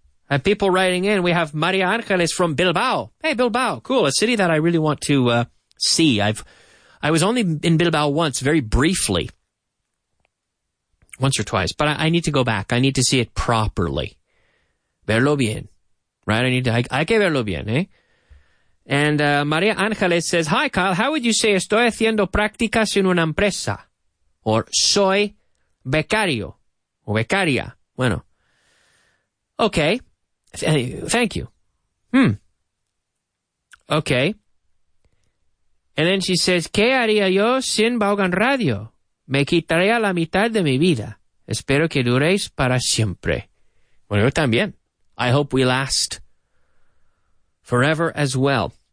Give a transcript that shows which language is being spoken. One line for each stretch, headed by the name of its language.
English: And people writing in, we have Maria Angeles from Bilbao. Hey, Bilbao, cool. A city that I really want to see. I was only in Bilbao once, very briefly. Once or twice. But I need to go back. I need to see it properly.
Spanish: Verlo bien.
English: Right?
Spanish: Hay que verlo bien, ¿eh?
English: And María Ángeles says, hi, Kyle. How would you say
Spanish: estoy haciendo prácticas en una empresa?
English: Or
Spanish: soy becario o becaria. Bueno.
English: Okay. Thank you. Okay. And then she says,
Spanish: ¿qué haría yo sin
English: Vaughan Radio?
Spanish: Me quitaría la mitad de mi vida. Espero que duréis para siempre. Bueno, yo también.
English: I hope we last forever as well.